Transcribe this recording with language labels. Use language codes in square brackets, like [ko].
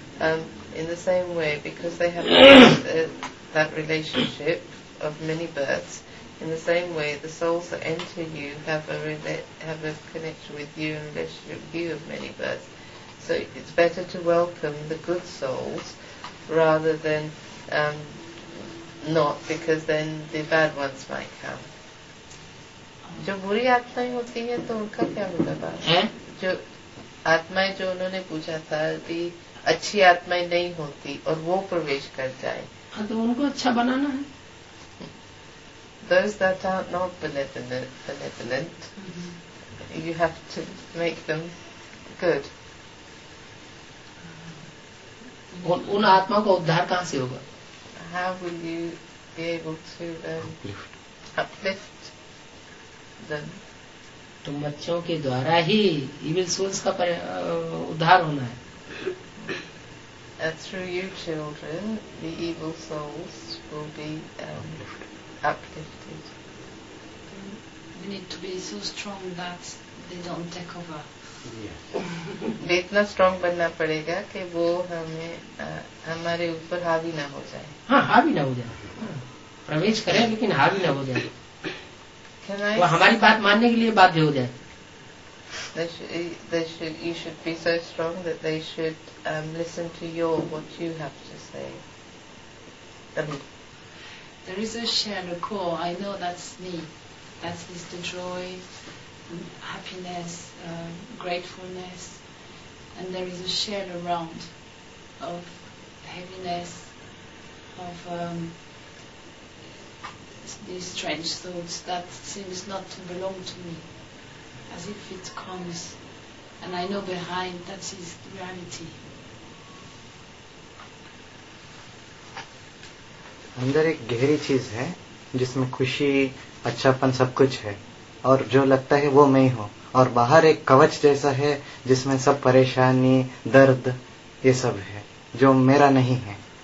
[en] In the same way because they have that relationship of many births in the same way the souls that enter you have a connection with you and relationship you of many births so it's better to welcome the good souls rather than Not because then the bad ones might come. [hi] जो बुरी आत्माएं होती हैं तो उनका क्या होगा बात? जो आत्माएं जो उन्होंने पूछा था कि अच्छी आत्माएं नहीं होती और वो प्रवेश कर जाए तो उनको अच्छा बनाना है [en] Those that are not benevolent, you have to make them good. [hi] उन आत्माओं का उद्धार कहाँ से होगा [en] How will you be able to uplift them? [hi] तुम बच्चों के द्वारा ही evil souls का उद्धार होना है [en] Through you children, the evil souls will be uplifted. We need to be so strong that they don't take over. Yes. [hi] इतना strong बनना पड़ेगा कि वो हमें हमारे ऊपर हावी ना हो जाए हाँ हावी ना हो जाए प्रवेश करें लेकिन हावी ना हो जाए वो हमारी बात मानने के लिए बाध्य हो जाए [en] You should be so strong that they should listen to your what you have to say. There is a shadow core. I know that's me. That's Mr. Joy. Happiness, gratefulness, and there is a shell around of heaviness, of these strange thoughts that seems not to belong to me, as if it comes, and I know behind that is reality. [hi] अंदर एक गहरी चीज है जिसमें खुशी अच्छापन सब कुछ है और जो लगता है वो मैं ही हूँ और बाहर एक कवच जैसा है जिसमें सब परेशानी दर्द ये सब है जो मेरा नहीं है